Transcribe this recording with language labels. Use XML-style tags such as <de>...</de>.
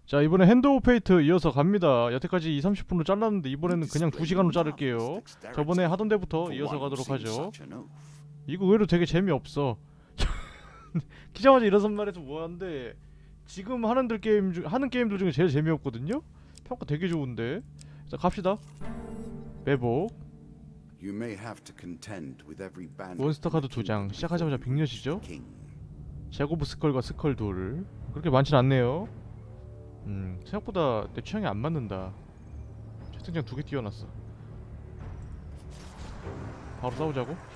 <ko>자, 이번에 핸드오브 페이트 이어서 갑니다. 여태까지 2, 30분으로 잘랐는데 이번에는 그냥 2시간으로 자를게요. 저번에 하던 데부터 이어서 가도록 하죠. 이거 의외로 되게 재미없어. 키자마자 일어선 말에서 뭐한데 지금 하는 게임들 중에 제일 재미없거든요? 평가 되게 좋은데. 자, 갑시다. 매복.</ko> <en>You may have to contend with every band</en> <ko>몬스터 카드 두 장. 시작하자마자 빅렛이죠? 제곱 스컬과 스컬 둘. 그렇게 많진 않네요. 생각보다 내 취향이 안 맞는다. 채팅창 두개 띄워놨어. 바로 싸우자고?</ko>